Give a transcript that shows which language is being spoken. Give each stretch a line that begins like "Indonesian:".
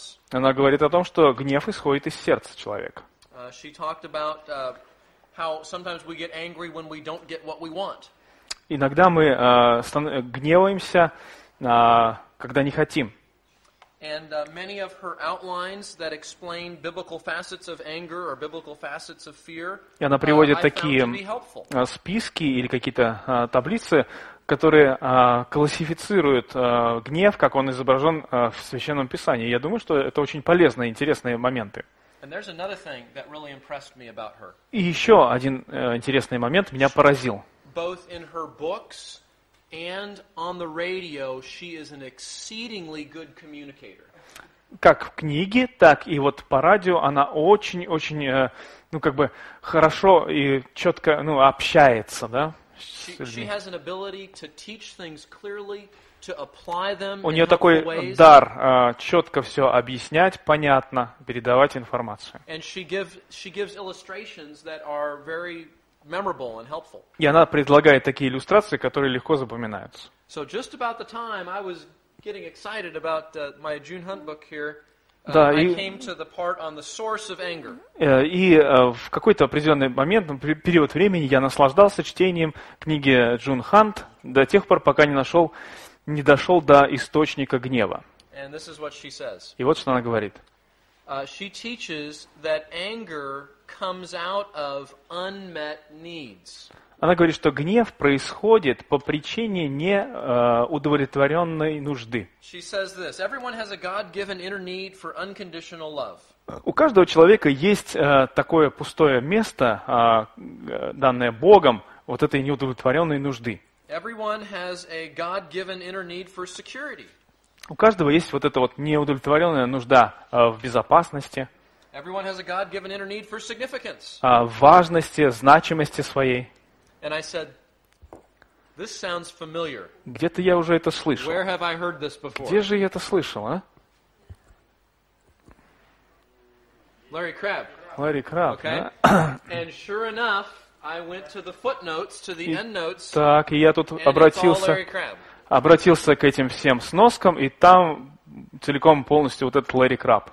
Russian: Она говорит о том, что гнев исходит из сердца человека.
English: She talked about how sometimes we get angry when we don't get what we want.
Russian: Иногда мы гневаемся, когда не хотим.
English: And many of her outlines that explain biblical facets of anger or biblical facets of fear.
Russian: И она приводит такие списки или какие-то таблицы, которые классифицируют гнев, как он изображен в Священном Писании. Я думаю, что это очень полезные, интересные моменты.
English: And there's another thing that really impressed me about her.
Russian: И еще один интересный момент меня поразил.
English: Both in her books and on the radio, she is an exceedingly good communicator.
Russian: Как в книге, так и вот по радио она очень-очень, ну, как бы, хорошо и четко, ну, общается, да?
English: She has an ability to teach things clearly, to apply them.
Russian: У нее такой дар четко все объяснять, понятно, передавать информацию.
English: And she gives illustrations that are very memorable and helpful.
Russian: И она предлагает такие иллюстрации, которые легко запоминаются.
English: So just about the time I was getting excited about my June Hunt book here,
Russian: да,
English: I came to the part on the source of anger.
Russian: И в какой-то определенный момент, период времени, я наслаждался чтением книги Джун Хант до тех пор, пока не дошел до источника гнева.
English: And this is what she says.
Russian: И вот что она говорит.
English: She teaches that anger comes out of unmet needs.
Russian: Она говорит, что гнев происходит по причине не удовлетворенной нужды.
English: She says this: everyone has a God-given inner need for unconditional love.
Russian: У каждого человека есть такое пустое место, данное Богом, вот этой неудовлетворенной нужды.
English: Everyone has a God-given inner need for security.
Russian: У каждого есть вот эта вот неудовлетворенная нужда в безопасности.
English: Everyone has a God-given inner need for significance.
Russian: Важности, значимости своей.
English: And I said, this sounds familiar.
Russian: Где-то я уже это слышал.
English: Where have I heard this before?
Russian: Где же я это слышал, а?
English: Larry Crabb. Larry Crabb. Okay.
Russian: Да?
English: And sure enough, I went to the footnotes, to the endnotes.
Russian: Так, и я тут обратился к этим всем сноскам, и там целиком полностью вот этот Larry Crabb.